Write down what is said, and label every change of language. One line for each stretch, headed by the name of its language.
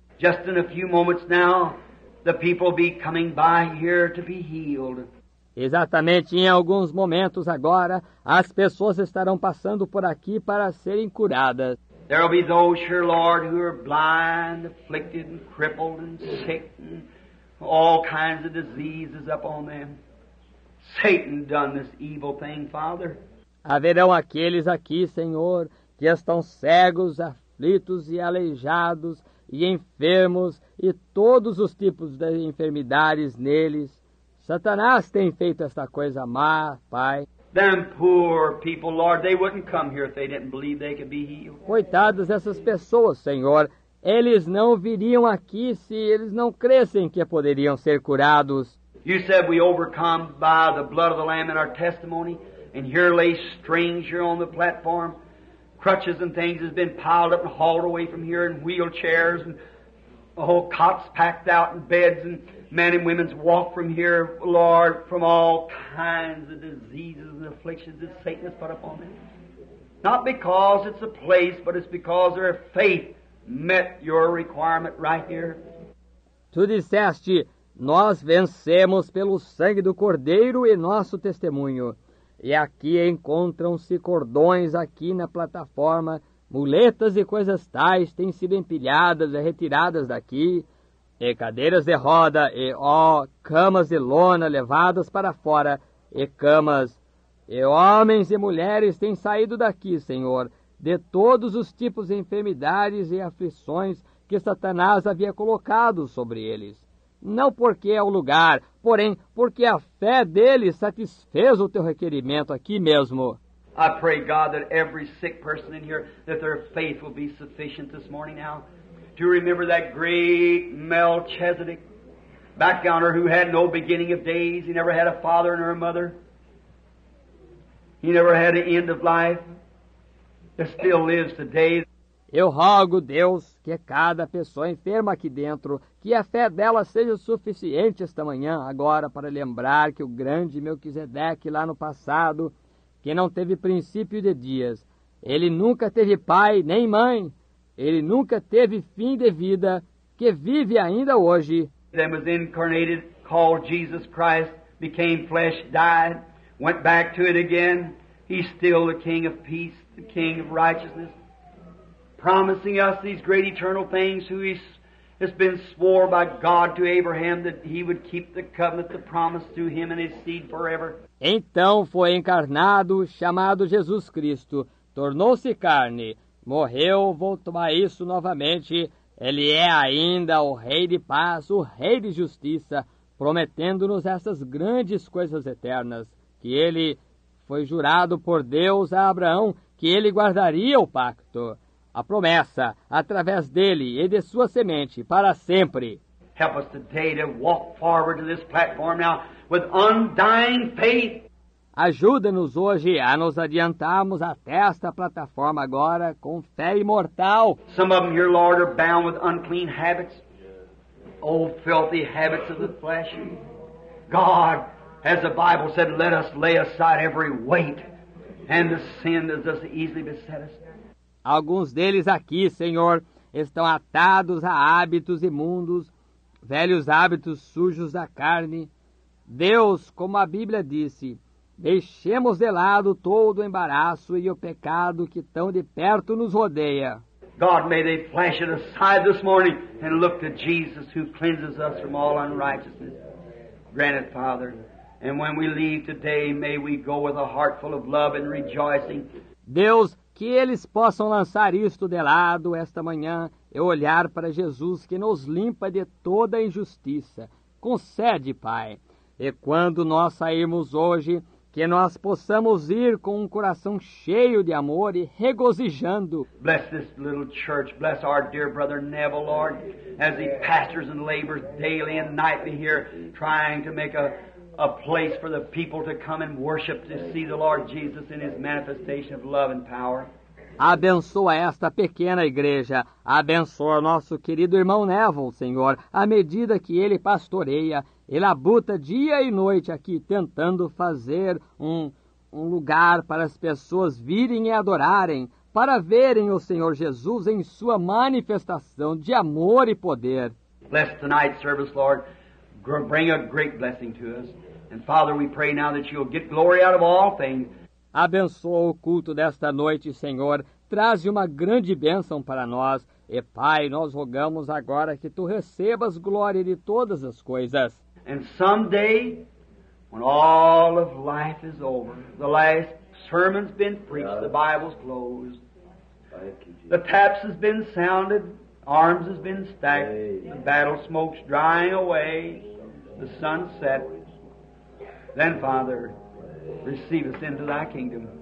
English: Just in a few moments now, the people will be coming by here to be healed.
Portuguese: Exatamente em alguns momentos agora, as pessoas estarão passando por aqui para serem curadas.
English: There will be those, sure, Lord, who are blind, afflicted, and crippled, and sick, and all kinds of diseases upon them. Satan done this evil thing, Father.
Portuguese: Haverão aqueles aqui, Senhor, que estão cegos, aflitos e aleijados e enfermos e todos os tipos de enfermidades neles. Satanás tem feito esta coisa má, Pai.
English: Them poor people, Lord, they wouldn't come here if they didn't believe they could be healed.
Portuguese: Coitados dessas pessoas, Senhor, eles não viriam aqui se eles não cressem que poderiam ser curados.
English: You said we overcome by the blood of the Lamb in our testimony. And here lay strings here on the platform. Crutches and things has been piled up and hauled away from here in wheelchairs and the whole cots packed out and beds and men and women's walk from here, Lord, from all kinds of diseases and afflictions that Satan has put upon them. Not because it's a place, but it's because their faith met your requirement right here.
Portuguese: Tu disseste, nós vencemos pelo sangue do Cordeiro e nosso testemunho. E aqui encontram-se cordões aqui na plataforma, muletas e coisas tais têm sido empilhadas e retiradas daqui, e cadeiras de roda e, ó, camas de lona levadas para fora, e camas, e homens e mulheres têm saído daqui, Senhor, de todos os tipos de enfermidades e aflições que Satanás havia colocado sobre eles. Não porque é o lugar, porém porque a fé dele satisfez o teu requerimento aqui mesmo.
English: I pray God that every sick person in here, that their faith will be sufficient this morning now. Do you remember that great Melchizedek back on her who had no beginning of days? He never had a father nor a mother. He never had an end of life. It still lives today.
Portuguese: Eu rogo, Deus, que cada pessoa enferma aqui dentro, que a fé dela seja suficiente esta manhã, agora, para lembrar que o grande Melquisedeque lá no passado, que não teve princípio de dias, ele nunca teve pai nem mãe, ele nunca teve fim de vida, que vive ainda hoje. Ele
English: was incarnated, called Jesus Christ, became flesh, died, went back to it again. He's still the King of Peace, the King of Righteousness. Promising us these great eternal things, who he has been swore by God to Abraham that he would keep the covenant, the promise to him and his seed forever.
Portuguese: Então foi encarnado, chamado Jesus Cristo, tornou-se carne, morreu, voltou a isso novamente. Ele é ainda o Rei de paz, o Rei de justiça, prometendo-nos essas grandes coisas eternas, que ele foi jurado por Deus a Abraão que ele guardaria o pacto. A promessa, através dele e de sua semente, para sempre.
English: Help us today to walk forward to this platform now with undying faith.
Portuguese: Ajuda-nos hoje a nos adiantarmos até esta plataforma agora com fé imortal.
English: Some of them here, Lord, are bound with unclean habits, old filthy habits of the flesh. God, as the Bible said, let us lay aside every weight and the sin that does easily beset us.
Portuguese: Alguns deles aqui, Senhor, estão atados a hábitos imundos, velhos hábitos sujos da carne. Deus, como a Bíblia disse, deixemos de lado todo o embaraço e o pecado que tão de perto nos rodeia.
English: God, may they flash it aside this morning and look to Jesus who cleanses us from all unrighteousness. Grant it, Father. And when we leave today, may we go with a heart full of love and rejoicing.
Portuguese: Deus, que eles possam lançar isto de lado esta manhã e olhar para Jesus que nos limpa de toda injustiça, Concede, Pai. E quando nós sairmos hoje, que nós possamos ir com um coração cheio de amor e regozijando.
English: Bless this little church. Bless our dear brother Neville, Lord, as he pastors and labors daily and nightly here, trying to make a place for the people to come and worship to see the Lord Jesus in his manifestation of love and power.
Portuguese: Abençoa esta pequena igreja. Abençoa nosso querido irmão Neville, Senhor, à medida que ele pastoreia. Ele labuta dia e noite aqui, tentando fazer um lugar para as pessoas virem e adorarem, para verem o Senhor Jesus em sua manifestação de amor e poder.
English: Bless tonight's service, Lord. Bring a great blessing to us. And Father, we pray now that you'll get glory out of all things.
Portuguese: Abençoa o culto desta noite, Senhor. Traze uma grande bênção para nós. E, Pai, nós rogamos agora que Tu recebas glória de todas as coisas.
English: And someday, when all of life is over, the last sermon's been preached, the Bible's closed, the taps has been sounded, arms has been stacked, the battle smoke's drying away, the sun set, then, Father, receive us into thy kingdom.